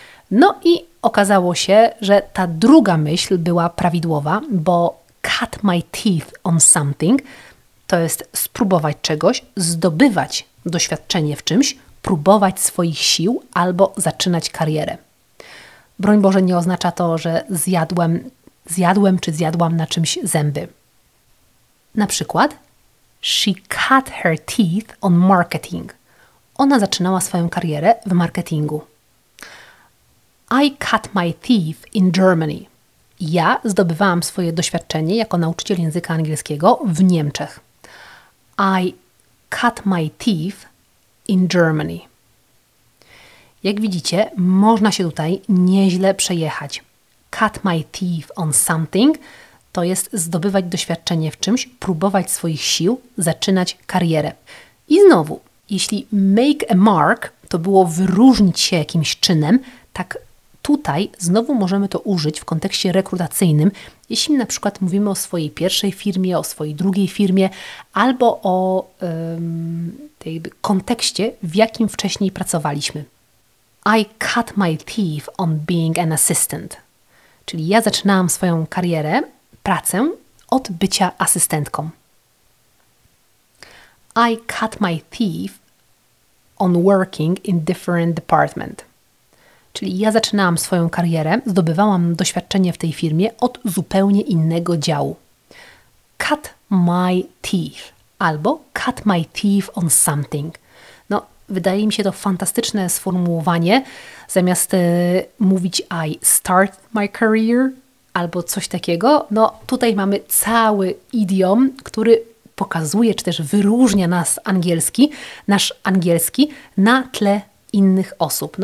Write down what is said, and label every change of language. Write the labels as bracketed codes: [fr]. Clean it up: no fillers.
[pl] No i okazało się, że ta druga myśl była prawidłowa, bo [en] cut my teeth on something, [pl] to jest spróbować czegoś, zdobywać doświadczenie w czymś, próbować swoich sił albo zaczynać karierę. Broń Boże, nie oznacza to, że zjadłem czy zjadłam na czymś zęby. Na przykład, [en] she cut her teeth on marketing. [pl] Ona zaczynała swoją karierę w marketingu. [en] I cut my teeth in Germany. [pl] Ja zdobywałam swoje doświadczenie jako nauczyciel języka angielskiego w Niemczech. [en] I cut my teeth in Germany. [pl] Jak widzicie, można się tutaj nieźle przejechać. [en] Cut my teeth on something [pl] to jest zdobywać doświadczenie w czymś, próbować swoich sił, zaczynać karierę. I znowu, jeśli [en] make a mark [pl] to było wyróżnić się jakimś czynem, tak tutaj znowu możemy to użyć w kontekście rekrutacyjnym, jeśli na przykład mówimy o swojej pierwszej firmie, o swojej drugiej firmie albo o tej kontekście, w jakim wcześniej pracowaliśmy. [en] I cut my teeth on being an assistant. [pl] Czyli ja zaczynałam swoją karierę, pracę od bycia asystentką. [en] I cut my teeth on working in different department. [pl] Czyli ja zaczynałam swoją karierę, zdobywałam doświadczenie w tej firmie od zupełnie innego działu. [en] Cut my teeth albo cut my teeth on something. [pl] No, wydaje mi się to fantastyczne sformułowanie. Zamiast mówić [en] I start my career [pl] albo coś takiego, no tutaj mamy cały idiom, który pokazuje czy też wyróżnia nasz angielski na tle innych osób.